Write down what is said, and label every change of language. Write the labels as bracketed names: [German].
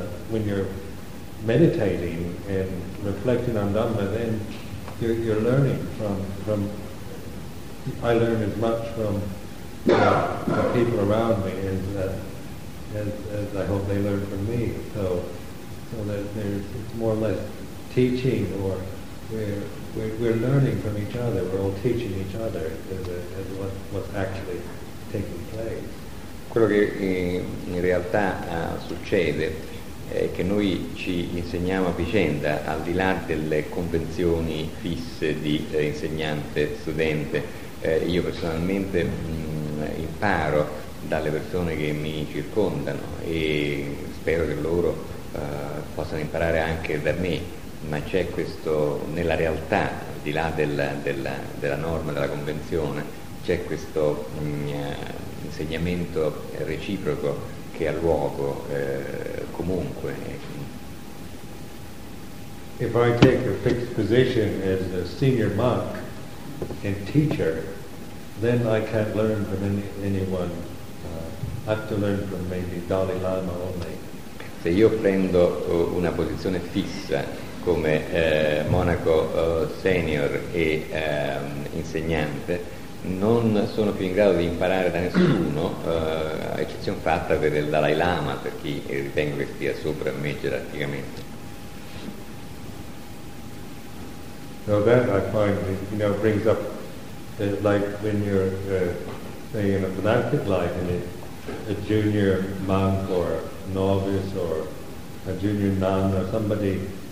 [English] when you're meditating and reflecting on Dhamma, then you're learning from I learn as much from the people around me as I hope they learn from me, so that there's more or less teaching, or we're learning from each other, we're all teaching each other as what's actually taking place. [Italian] Quello che in realtà succede è che noi ci insegniamo a vicenda, al di là delle convenzioni fisse di insegnante-studente. Io personalmente imparo dalle persone che mi circondano e spero che loro possano imparare anche da me. Ma c'è questo, nella realtà, al di là della norma, della convenzione, c'è questo insegnamento reciproco che ha luogo comunque. [English] If I take a fixed position as a senior monk and teacher, then I can't learn from anyone. I have to learn from maybe Dalai Lama only. [Italian] Se io prendo una posizione fissa come monaco senior e insegnante, non sono più in grado di imparare da nessuno, a eccezione fatta per il Dalai Lama, per chi ritengo che stia sopra me gerarchicamente. [English] So that I find, brings up like when you're say in a monastic life, and a junior monk or novice or a junior nun or somebody.